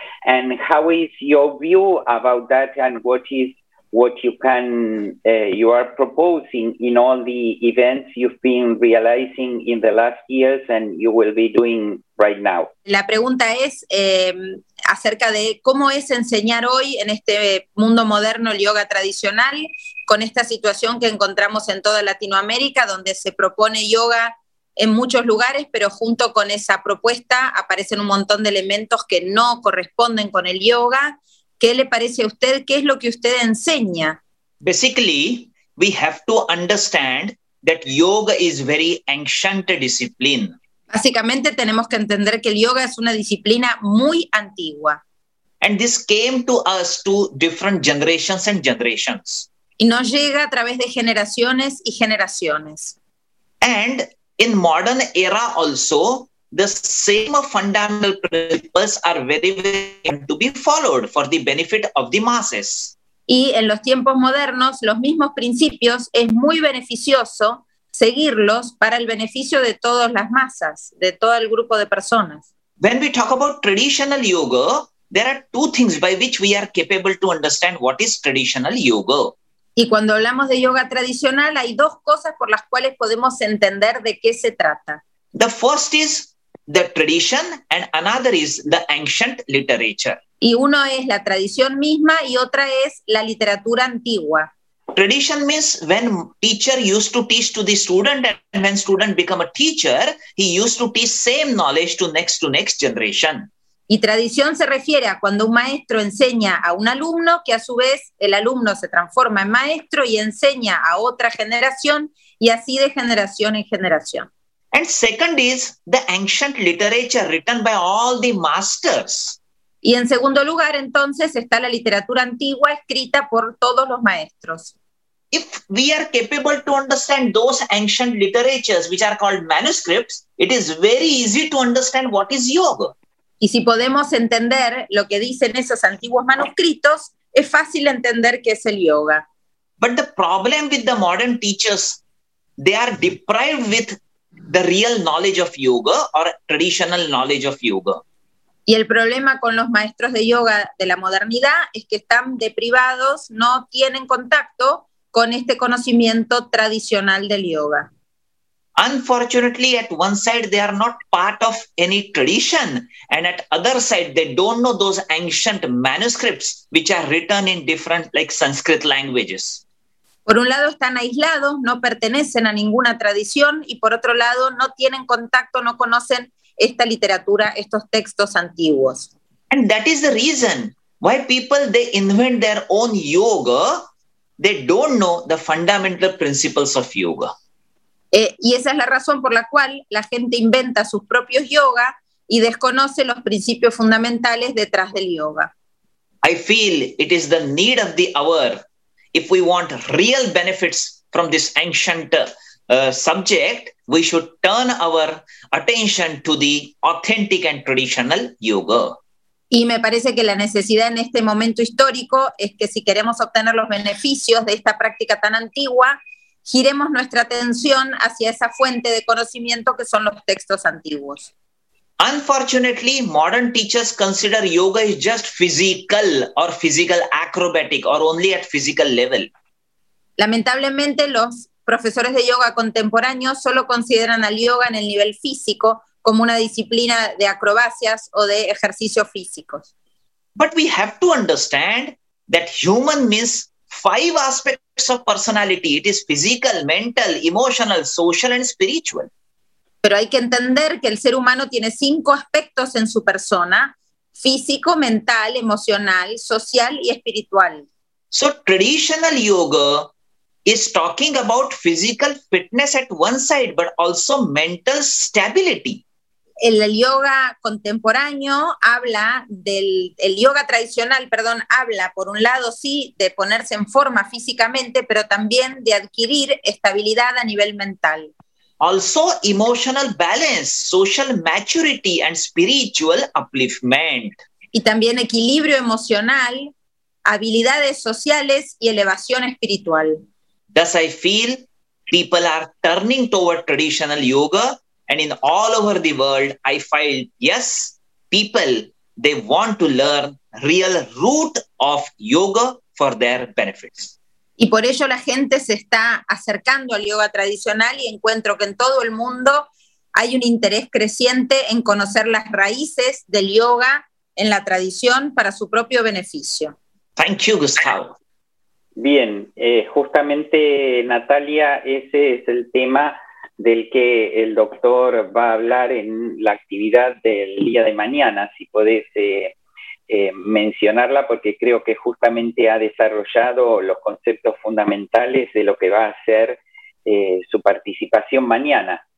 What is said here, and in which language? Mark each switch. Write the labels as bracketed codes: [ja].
[en] And how is your view about that, and what you are proposing in all the events you've been realizing in the last years and you will be doing right now? [es] La pregunta es acerca de cómo es enseñar hoy en este mundo moderno el yoga tradicional con esta situación que encontramos en toda Latinoamérica, donde se propone yoga en muchos lugares, pero junto con esa propuesta aparecen un montón de elementos que no corresponden con el yoga. ¿Qué le parece a usted? ¿Qué es lo que usted enseña? [en] Basically, we have to understand that yoga is very ancient discipline. [es] Básicamente tenemos que entender que el yoga es una disciplina muy antigua. [en] And this came to us to different generations and generations. [es] Y nos llega a través de generaciones y generaciones. [en] And in modern era also, the same fundamental principles are very, very important to be followed for the benefit of the masses. [es] Y en los tiempos modernos, los mismos principios es muy beneficioso seguirlos para el beneficio de todas las masas, de todo el grupo de personas. [en] When we talk about traditional yoga, there are two things by which we are capable to understand what is traditional yoga. [es] Y cuando hablamos de yoga tradicional, hay dos cosas por las cuales podemos entender de qué se trata. [en] The first is the tradition and another is the ancient literature. [es] Y uno es la tradición misma y otra es la literatura antigua. [en] Tradition means when teacher used to teach to the student and when student become a teacher, he used to teach same knowledge to next generation. [es] Y tradición se refiere a cuando un maestro enseña a un alumno, que a su vez el alumno se transforma en maestro y enseña a otra generación, y así de generación en generación. [en] And second is the ancient literature written by all the masters. [es] Y en segundo lugar, entonces, está la literatura antigua escrita por todos los maestros. [en] If we are capable to understand those ancient literatures, which are called manuscripts, it is very easy to understand what is yoga. [es] Y si podemos entender lo que dicen esos antiguos manuscritos, es fácil entender qué es el yoga. [en] But the problem with the modern teachers, they are deprived with the real knowledge of yoga or traditional knowledge of yoga. [es] Y el problema con los maestros de yoga de la modernidad es que están deprivados, no tienen contacto con este conocimiento tradicional del yoga. [en] Unfortunately, at one side they are not part of any tradition, and at other side they don't know those ancient manuscripts which are written in different, like Sanskrit languages. [es] Por un lado están aislados, no pertenecen a ninguna tradición, y por otro lado no tienen contacto, no conocen esta literatura, estos textos antiguos. [en] And that is the reason why people they invent their own yoga, they don't know the fundamental principles of yoga. [es] Y esa es la razón por la cual la gente inventa sus propios yoga y desconoce los principios fundamentales detrás del yoga. [en] I feel it is the need of the hour. If we want real benefits from this ancient subject, we should turn our attention to the authentic and traditional yoga. [es] Y me parece que la necesidad en este momento histórico es que si queremos obtener los beneficios de esta práctica tan antigua, giremos nuestra atención hacia esa fuente de conocimiento que son los textos antiguos. [en] Unfortunately, modern teachers consider yoga is just physical or physical acrobatic or only at physical level. [es] Lamentablemente, los profesores de yoga contemporáneos solo consideran al yoga en el nivel físico como una disciplina de acrobacias o de ejercicios físicos. [en] But we have to understand that human means five aspects of personality. It is physical, mental, emotional, social, and spiritual. [es] Pero hay que entender que el ser humano tiene cinco aspectos en su persona: físico, mental, emocional, social y espiritual. [en] So traditional yoga is talking about physical fitness at one side, but also mental stability. [es] El yoga contemporáneo habla del, el yoga tradicional, perdón, habla por un lado sí de ponerse en forma físicamente, pero también de adquirir estabilidad a nivel mental. [en] Also emotional balance, social maturity and spiritual upliftment. [es] Y también equilibrio emocional, habilidades sociales y elevación espiritual. [en] Thus I feel people are turning toward traditional yoga. And in all over the world, I find, yes, people, they want to learn real root of yoga for their benefits. [es] Y por ello la gente se está acercando al yoga tradicional y encuentro que en todo el mundo hay un interés creciente en conocer las raíces del yoga en la tradición para su propio beneficio. [en] Thank you, Gustavo. [es] Bien, justamente, Natalia, ese es el tema del que el doctor va a hablar en la actividad del día de mañana, si podés mencionarla, porque creo que justamente ha desarrollado los conceptos fundamentales de lo que va a ser su participación mañana.